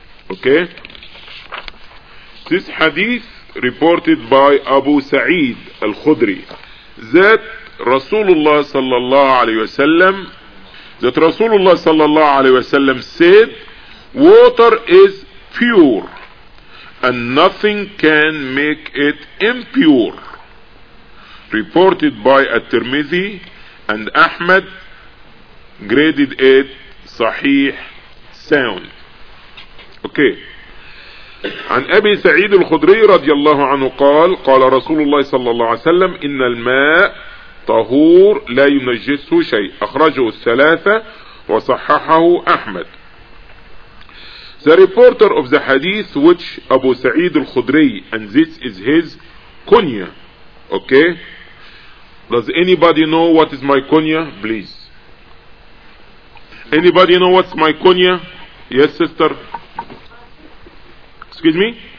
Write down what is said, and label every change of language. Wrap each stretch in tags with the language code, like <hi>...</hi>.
<en>Okay, this hadith reported by Abu Sa'id al-Khudri that Rasulullah sallallahu alayhi wa sallam, that Rasulullah sallallahu alayhi wa sallam said, water is pure and nothing can make it impure. Reported by At-Tirmidhi and Ahmad, graded it sahih sound. Okay.</en> <ar>عن أبي سعيد الخدري رضي الله عنه قال قال رسول الله صلى الله عليه وسلم إن الماء طهور لا ينجسه شيء. أخرجه الثلاثة وصححه أحمد.</ar> <en>The reporter of the hadith, which Abu Sa'id al-Khudri, and this is his kunya. Okay, does anybody know what is my kunya, please? Anybody know what's my kunya? Yes, sister. Excuse me?</en>